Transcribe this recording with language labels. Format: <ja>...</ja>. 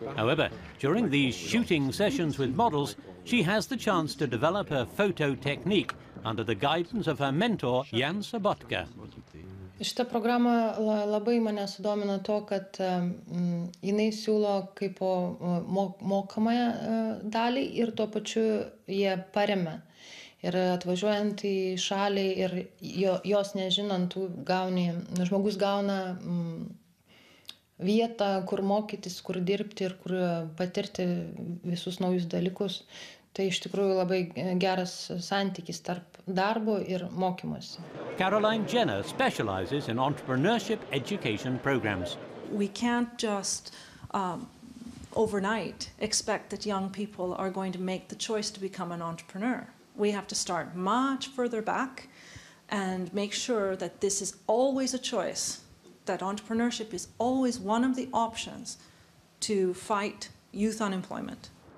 <en>However, during these shooting sessions with models, she has the chance to develop her photo technique under the guidance of her mentor, Jan Sobotka.</en> <lt>Šita programa labai mane sudomino to, kad jinai siūlo kaip mokamą dalį ir tuo pačiu jie paremia. Ir atvažiuojant į šalį ir jos nežinant, žmogus gauna vietą, kur mokytis, kur dirbti ir kur patirti visus naujus dalykus. Tai iš tikrųjų labai geras santykis tarp darbo ir mokymosi.</lt> <en>Caroline Jenner specializes in entrepreneurship education programs. We can't just overnight expect that young people are going to make the choice to become an entrepreneur. We have to start much further back and make sure that this is always a choice, that entrepreneurship is always one of the options to fight youth unemployment.</en>